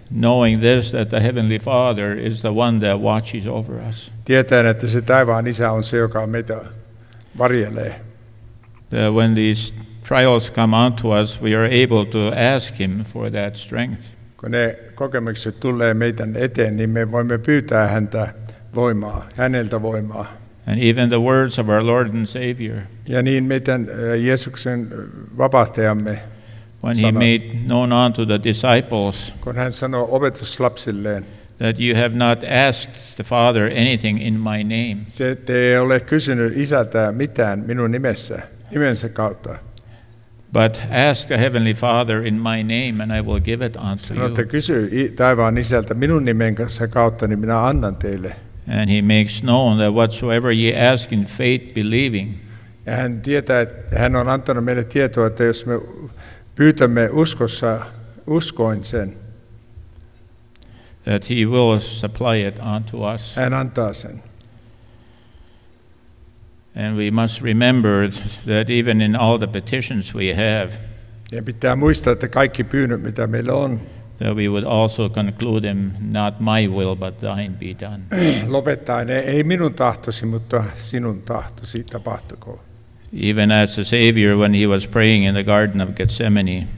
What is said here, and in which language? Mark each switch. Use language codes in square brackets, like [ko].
[en] Knowing this, that the Heavenly Father is the one that watches over us. [fi] Tietäen, että se taivaan isä on se, joka meitä varjelee. [en] When these trials come unto us, we are able to ask him for that strength. [fi] Kun ne kokemukset tulee meidän eteen, niin me voimme pyytää häntä voimaa, häneltä voimaa. [en] And even the words of our Lord and Savior. [fi] Ja niin meidän Jeesuksen vapahtajamme. [en] When he made known unto the disciples. [fi] Kun hän sanoi opetuslapsilleen. [en] That you have not asked the Father anything in my name. [fi] Se te ei ole kysynyt isältä mitään minun nimensä kautta. [en] But ask the Heavenly Father in my name and I will give it unto you. [fi] Sanotte kysy taivaan isältä minun nimensä kautta, niin minä annan teille. [en] And he makes known that whatsoever ye ask in faith believing. [fi] Ja hän tietää, että hän on antanut meille tietoa, että jos me pyytämme uskossa uskoin sen. [en] That he will supply it unto us. [fi] Hän antaa sen. [en] And we must remember that even in all the petitions we have, [fi] ja pitää muistaa, että kaikki pyynnöt, mitä meillä on, [en] that we would also conclude them, not my will, but thine be done. [fi] Lopettaa ne, ei minun tahtosi, mutta sinun tahtosi tapahtukoon. [en] Even as the Savior, when he was praying in the Garden of Gethsemane,